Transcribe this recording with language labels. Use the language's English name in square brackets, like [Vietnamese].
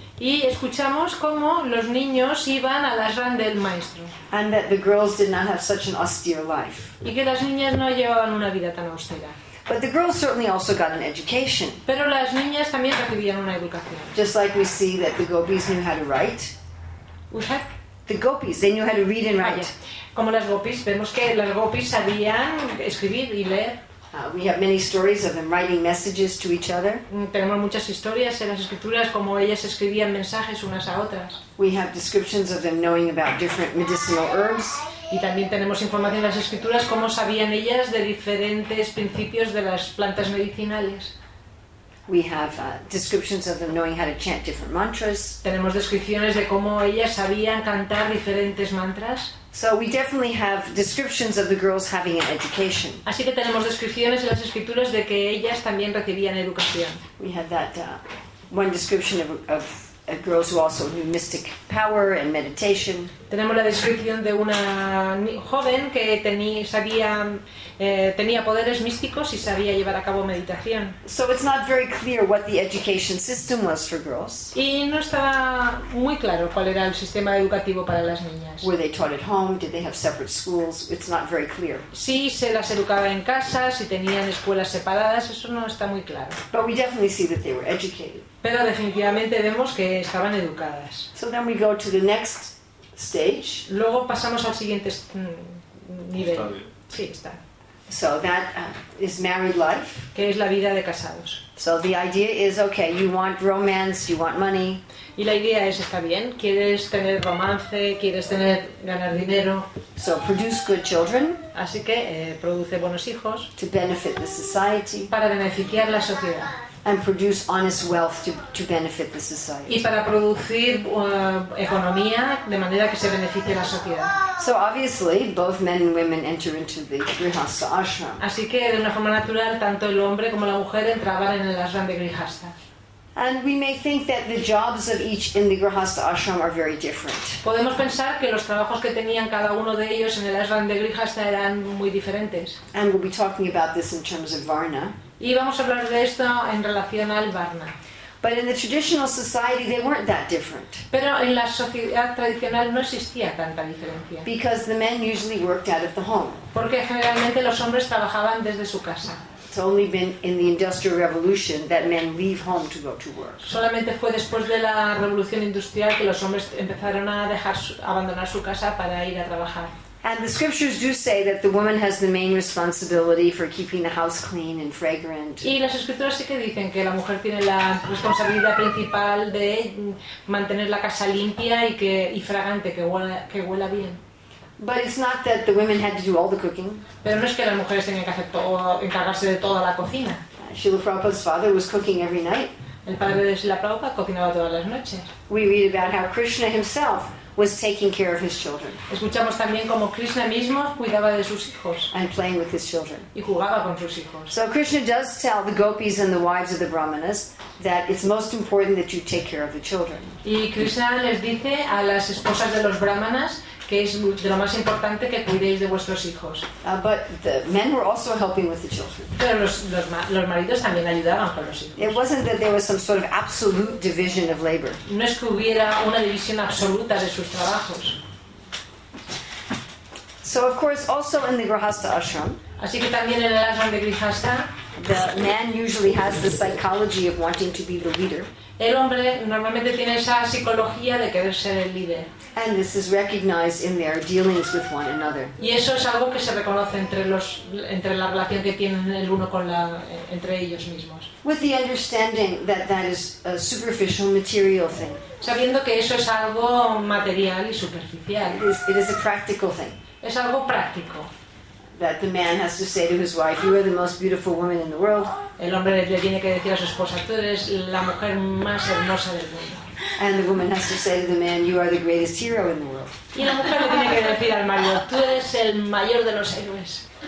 [Spanish] Y escuchamos cómo los niños iban al ashram del maestro. [English] And that the girls did not have such an austere life. [Spanish] Y que las niñas no llevaban una vida tan austera. [English] But the girls certainly also got an education. [Spanish] Pero las niñas también recibían una educación. [English] Just like we see that the gopis knew how to write. [Spanish] ¿Usted? [English] The gopis, they knew how to read and write. Ah, yeah. [Spanish] Como las gopis, vemos que las gopis sabían escribir y leer. [English] We have many stories of them writing messages to each other. [Spanish] Tenemos muchas historias en las escrituras como ellas escribían mensajes unas a otras. [English] We have descriptions of them knowing about different medicinal herbs. [Spanish] Y también tenemos información en las escrituras cómo sabían ellas de diferentes principios de las plantas medicinales. [English] We have descriptions of them knowing how to chant different mantras. [Spanish] Tenemos descripciones de cómo ellas sabían cantar diferentes mantras. [English] So we definitely have descriptions of the girls having an education. [Spanish] Así que tenemos descripciones en las escrituras de que ellas también recibían educación. [English] We have that one description of girls who also knew mystic power and meditation. [Spanish] Tenemos la descripción de una joven que tenía poderes místicos y sabía llevar a cabo meditación. [English] So it's not very clear what the education system was for girls. [Spanish] Y no estaba muy claro cuál era el sistema educativo para las niñas. [English] Were they taught at home? Did they have separate schools? It's not very clear. [Spanish] Sí, se las educaba en casa, si tenían escuelas separadas, eso no está muy claro. [English] But we definitely see that they were educated. [Spanish] Pero definitivamente vemos que estaban educadas. [English] So then we go to the next stage. [Spanish] Luego pasamos al siguiente nivel. Está bien. Sí, está. [English] So that is married life. [Spanish] Que es la vida de casados. [English] So the idea is, okay, you want romance, you want money. [Spanish] Y la idea es, está bien, quieres tener romance, quieres ganar dinero. [English] So produce good children. [Spanish] Así que produce buenos hijos. [English] To benefit the society. [Spanish] Para beneficiar la sociedad. [English] and produce honest wealth to benefit the society. [Spanish] Y para producir economía de manera que se beneficie la sociedad. [English] So obviously, both men and women enter into the Grihastha ashram. [Spanish] Así que de una forma natural, tanto el hombre como la mujer entraban en el ashram de Grihastha. [English] And we may think that the jobs of each in the Grihastha ashram are very different. [Spanish] Podemos pensar que los trabajos que tenían cada uno de ellos en el ashram de Grihastha eran muy diferentes. [English] And we'll be talking about this in terms of Varna. [Spanish] Y vamos a hablar de esto en relación al Varna. [English] But in the traditional society, they weren't that different. [Spanish] Pero en la sociedad tradicional no existía tanta diferencia. [English] Because the men usually worked out of the home. [Spanish] Porque generalmente los hombres trabajaban desde su casa. [English] It's only been in the Industrial Revolution that men leave home to go to work. [Spanish] Solamente fue después de la Revolución Industrial que los hombres empezaron a dejar abandonar su casa para ir a trabajar. [English] And the scriptures do say that the woman has the main responsibility for keeping the house clean and fragrant. [Spanish] Y las escrituras sí que dicen que la mujer tiene la responsabilidad principal de mantener la casa limpia y fragante, que huela bien. [English] But it's not that the women had to do all the cooking. [Spanish] Pero no es que las mujeres tengan que encargarse de toda la cocina. [English] Srila Prabhupada's father was cooking every night. [Spanish] El padre de Srila Prabhupada cocinaba todas las noches. [English] We read about how Krishna himself was taking care of his children. [Spanish] Escuchamos también como Krishna mismo cuidaba de sus hijos. [English] And playing with his children. [Spanish] Y jugaba con sus hijos. [English] So Krishna does tell the gopis and the wives of the brahmanas that it's most important that you take care of the children. [Spanish] Y Krishna les dice a las esposas de los brahmanas que es de lo más importante que cuidéis de vuestros hijos. [English] But the men were also helping with the children. [Spanish] Pero los maridos también ayudaban con los hijos. [English] It wasn't that there was some sort of absolute division of labor. [Spanish] No es que hubiera una división absoluta de sus trabajos. [English] So of course, also in the Grihastha ashram. [Spanish] Así que también en el ashram de Grihastha, [English] the man usually has the psychology of wanting to be the leader. [Spanish] El hombre normalmente tiene esa psicología de querer ser el líder. [English] And this is recognized in their dealings with one another. [Spanish] Y eso es algo que se reconoce entre la relación que tienen el uno con la entre ellos mismos. [English] With the understanding that that is a superficial material thing. [Spanish] Sabiendo que eso es algo material y superficial. [English] It is a practical thing. [Spanish] Es algo práctico. [English] That the man has to say to his wife, "You are the most beautiful woman in the world." [Spanish] El hombre le tiene que decir a su esposa, "Tú eres la mujer más hermosa del mundo." [English] And the woman has to say to the man, "You are the greatest hero in the world." [Spanish] Y la mujer le tiene que decir al marido, "Tú eres el mayor de los héroes."